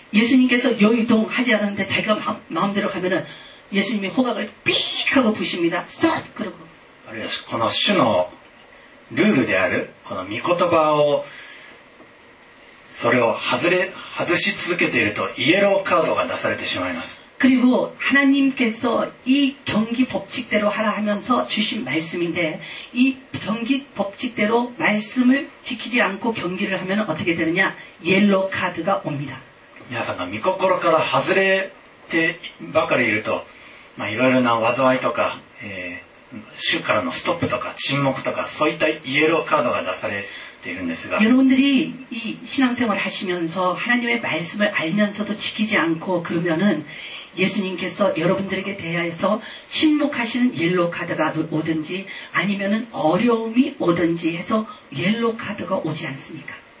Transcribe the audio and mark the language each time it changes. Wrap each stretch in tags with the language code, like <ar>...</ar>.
<ko>イエス님께서</ko> <ja>良い運動</ja> <ko>하지않았는데자기가 마음대로가면은예수님이호각을삐익하고부십니다스톱그러고</ko> <ja>あるいはこの主のルールであるこの御言葉をそれを外し続けているとイエローカードが出されてしまいます。</ja> <ko>그리고하나님께서이경기법칙대로하라하면서주신말씀인데이경기법칙대로말씀을지키지않고경기를하면어떻게되느냐옐로카드가옵니다</ko> <ja>皆さんが御心から外れてばかりいると、まあ、いろいろな災いとか、主からのストップとか沈黙とかそういったイエローカードが出されているんですが</ja> <ko>여러분들이이신앙생활하시면서하나님의말씀을알면서도지키지않고그러면은예수님께서여러분들에게대하여서침묵하시는옐로카드가오든지아니면은어려움이오든지해서옐로카드가오지않습니까</ko>